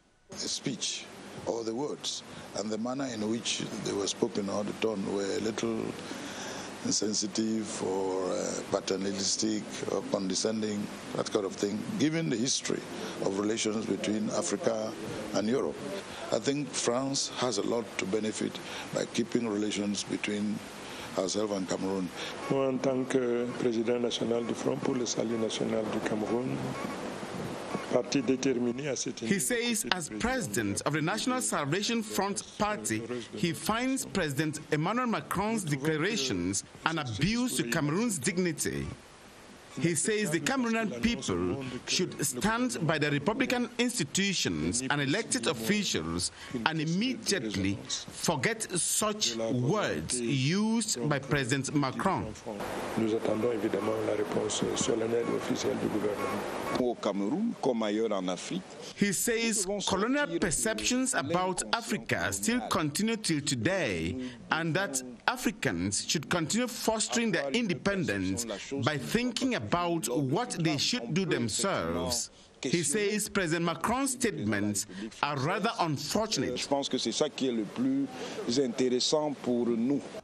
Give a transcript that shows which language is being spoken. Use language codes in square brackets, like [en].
[en] The speech, all the words and the manner in which they were spoken or the tone were a little insensitive or paternalistic or condescending, that kind of thing, given the history of relations between Africa and Europe. I think France has a lot to benefit by keeping relations between herself and Cameroon. [fr] Moi, en tant que président national du Front pour le Salut National du Cameroun, [en] he says as president of the National Salvation Front Party, he finds President Emmanuel Macron's declarations an abuse to Cameroon's dignity. He says the Cameroonian people should stand by the Republican institutions and elected officials and immediately forget such words used by President Macron. [fr] Nous attendons évidemment la réponse solennelle officielle du gouvernement. Au Cameroun comme ailleurs en Afrique. [en] He says colonial perceptions about Africa still continue till today, and that Africans should continue fostering their independence by thinking about what they should do themselves. He says President Macron's statements are rather unfortunate. [fr] Je pense que c'est ça qui est le plus intéressant pour nous.